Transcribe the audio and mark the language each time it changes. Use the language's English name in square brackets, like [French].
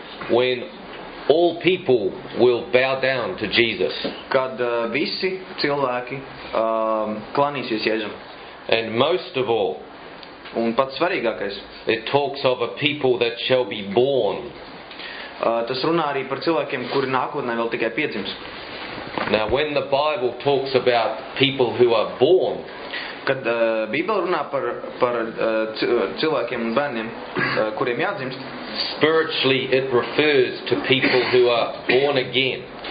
[English] When all people will bow down to Jesus. [Latvian] Kad visi cilvēki klanīsies Jēzum. [English] And most of all. [Latvian] Un pats svarīgākais. [English] It talks of a people that shall be born. [Latvian] Tas runā arī par cilvēkiem, kuri nākotnē vēl tikai piedzims. [English] Now when the Bible talks about people who are born, [Latvian] kad Bībele runā par cilvēkiem un bērniem, kuriem jādzimst, [English] spiritually it refers to people who are born again.